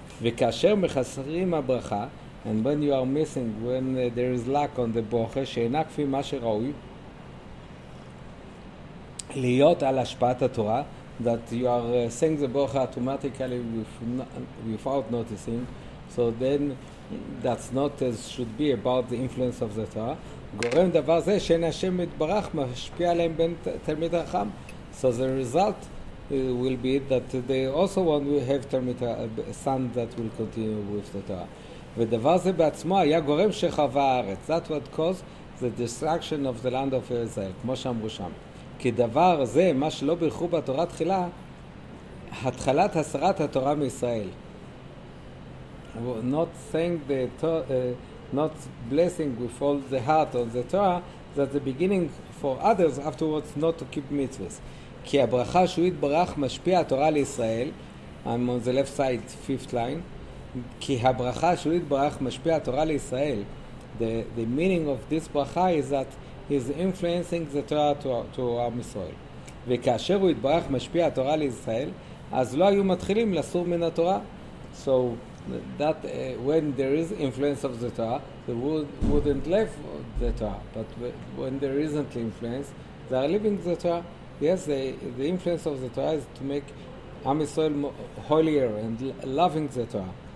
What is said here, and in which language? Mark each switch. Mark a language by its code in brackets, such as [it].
[he] V'kasher mechasrim habracha, [en] and when you are missing, when there is lack on the Bocher, [he] she'ena kfi ma she'raui, להיות על השפעת התורה, [en] that you are saying the Bochur automatically without noticing, So then that's not as should be about the influence of the Torah. [he] גורם דבר זה שאין השם מתברך משפיע עליהם בין תלמיד החכם. [en] So the result will be that they also want to have תלמיד, a son that will continue with the Torah. [he] ודבר זה בעצמו היה גורם שחווה הארץ. [en] That would cause the destruction of the land of Israel, [he] כמו שאמרו שם. כי דבר זה, מה שלא ברכו בתורה תחילה, התחלת הסרת התורה מישראל. [en] Not saying the Torah, not blessing with all the heart on the Torah, that the beginning for others afterwards not to keep mitzvahs. [he] כי הברכה שהוא יתברך משפיע התורה לישראל, [en] I'm on the left side, fifth line, [he] כי הברכה שהוא יתברך משפיע התורה לישראל, [en] the meaning of this ברכה is that he's influencing the Torah to Am Yisrael. [he] וכאשר הוא יתברך משפיע התורה לישראל, אז לא היו מתחילים לסור מן התורה. [en] So that when there is influence of the Torah, they wouldn't leave the Torah. But when there isn't influence, they are leaving the Torah. Yes, the influence of the Torah is to make Am Yisrael holier and loving the Torah.